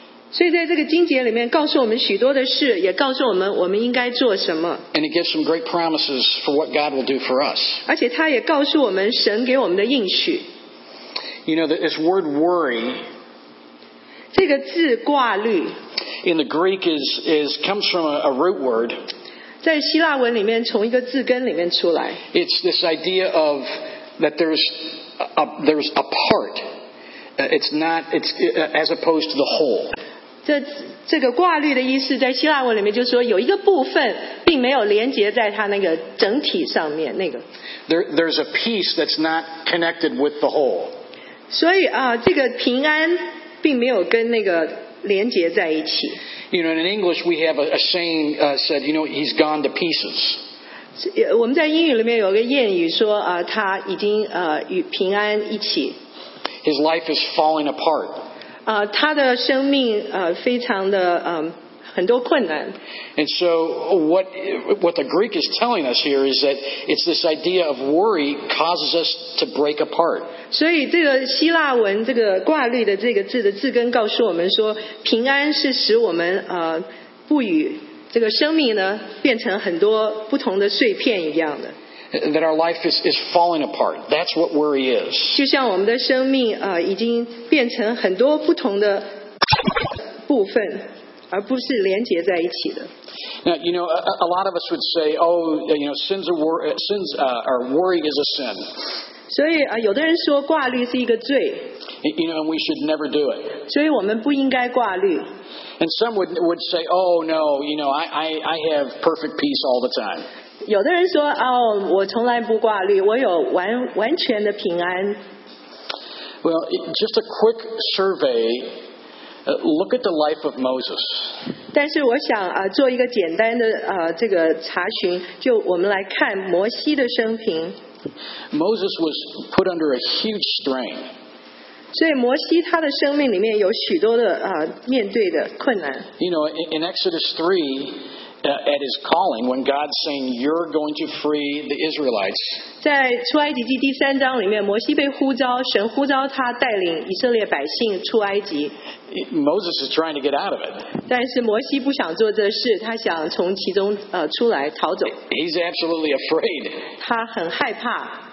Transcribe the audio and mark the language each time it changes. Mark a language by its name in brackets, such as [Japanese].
[Chinese] 所以在这个经节里面告诉我们许多的事，也告诉我们我们应该做什么。 [English] And it gives some great promises for what God will do for us. [Chinese] 而且他也告诉我们神给我们的应许。 [English] You know, this word worry, [Chinese] 这个字挂虑 [English] in the Greek is comes from a root word. [Chinese] 在希腊文里面从一个字根里面出来。 [English] It's this idea of that there's a part. It's as opposed to the whole. [Chinese] 这个挂虑的意思在希腊文里面就是说有一个部分并没有连接在它那个整体上面那个。 [English] There's a piece that's not connected with the whole. [Chinese] 所以这个平安并没有跟那个连接在一起。 [English] You know, in English we have a saying said, you know, he's gone to pieces. [Chinese] 我们在英语里面有个谚语说他已经与平安一起。 [English] His life is falling apart. [Chinese] 他的生命非常的很多困难。 [English] And so what the Greek is telling us here is that it's this idea of worry causes us to break apart. [Chinese] 所以这个希腊文这个挂虑的这个字的字根告诉我们说，平安是使我们不与这个生命呢变成很多不同的碎片一样的。 [English] That our life is falling apart. That's what worry is. [Chinese] 就像我们的生命已经变成很多不同的部分。而不是连结在一起的。 [English] Now, you know, a lot of us would say, oh, you know, worry is a sin. [Chinese] 所以有的人说挂虑是一个罪。 [English] You know, and we should never do it. [Chinese] 所以我们不应该挂虑。 [English] And some would say, oh, no, you know, I have perfect peace all the time. [Chinese] 有的人说、哦、我从来不挂虑我有 完全的平安 [English] Well, just a quick survey、look at the life of Moses [Chinese] 但是我想、做一个简单的、这个查询就我们来看摩西的生平 [English] Moses was put under a huge strain [Chinese] 所以摩西他的生命里面有许多的、面对的困难 [English] You know, in Exodus 3at his calling, when God's saying, you're going to free the Israelites. [Chinese] 在出埃及记第三章里面，摩西被呼召，神呼召他带领以色列百姓出埃及。 [English] Moses is trying to get out of it. [Chinese] 但是摩西不想做这事，他想从其中出来逃走。 [English] He's absolutely afraid. [Chinese] 他很害怕。